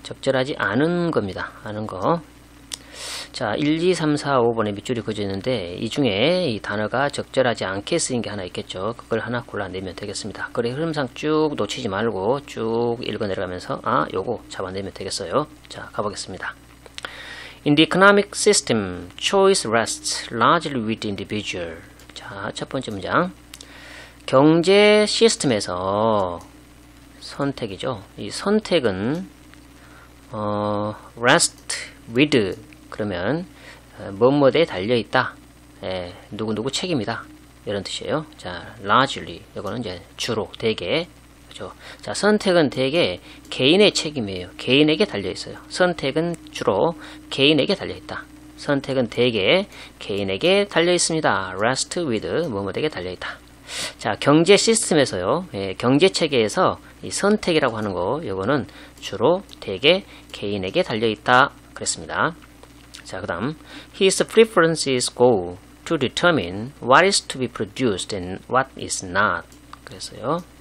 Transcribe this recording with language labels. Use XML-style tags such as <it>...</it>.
<ko>적절하지 않은 겁니다. 아는 거. 자, 1, 2, 3, 4, 5번에 밑줄이 그어져 있는데 이 중에 이 단어가 적절하지 않게 쓰인 게 하나 있겠죠. 그걸 하나 골라내면 되겠습니다. 글의 흐름상 쭉 놓치지 말고 쭉 읽어 내려가면서 아, 요거 잡아내면 되겠어요. 자, 가보겠습니다.</ko> <en>In the economic system, choice rests largely with the individual.</en> <ko>자, 첫 번째 문장. 경제 시스템에서 선택이죠. 이 선택은 rest with 그러면 뭐뭐에 달려 있다. 예, 누구누구 책임이다. 이런 뜻이에요. 자, largely 이거는 이제 주로 대개 그렇죠. 자, 선택은 대개 개인의 책임이에요. 개인에게 달려 있어요. 선택은 주로 개인에게 달려 있다. 선택은 대개 개인에게 달려 있습니다. rest with 뭐뭐에 달려 있다. 자, 경제 시스템에서요. 예, 경제 체계에서 이 선택이라고 하는 거 요거는 주로 대개 개인에게 달려 있다 그랬습니다. 자, 그다음</ko> <en>his preferences go to determine what is to be produced and what is not 그랬어요.</en>